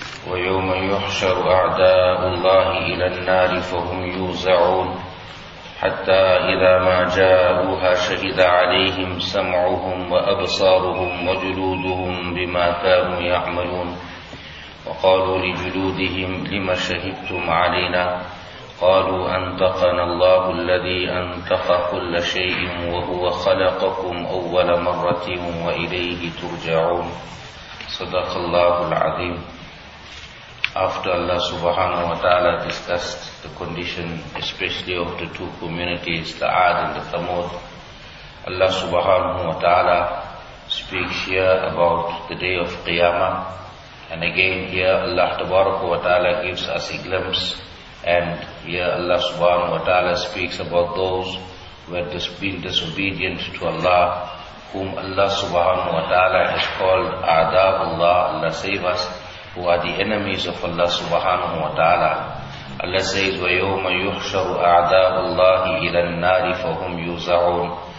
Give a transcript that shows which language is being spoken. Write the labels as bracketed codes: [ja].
[ar] ويوم يحشر أعداء الله إلى النار فهم يوزعون حتى إذا ما جاءوها شهد عليهم سمعهم وأبصارهم وجلودهم بما كانوا يعملون وقالوا لجلودهم لما شهدتم علينا قالوا أنطقنا الله الذي أنطق كل شيء وهو خلقكم أول مرة وإليه ترجعون صدق الله العظيم. [en] After Allah subhanahu wa ta'ala discussed the condition especially of the two communities, the Aad and the Thamud, Allah subhanahu wa ta'ala speaks here about the day of Qiyamah. And again here Allah tabarak wa ta'ala gives us a glimpse, and here Allah subhanahu wa ta'ala speaks about those who have been disobedient to Allah, whom Allah subhanahu wa ta'ala has called A'da'ullah, Allah save us, who are the enemies of Allah subhanahu wa ta'ala. Allah says, [ar] وَيَوْمَ يُحْشَرُ أَعْدَاءُ اللَّهِ إِلَى النَّارِ فَهُمْ يُوزَعُونَ.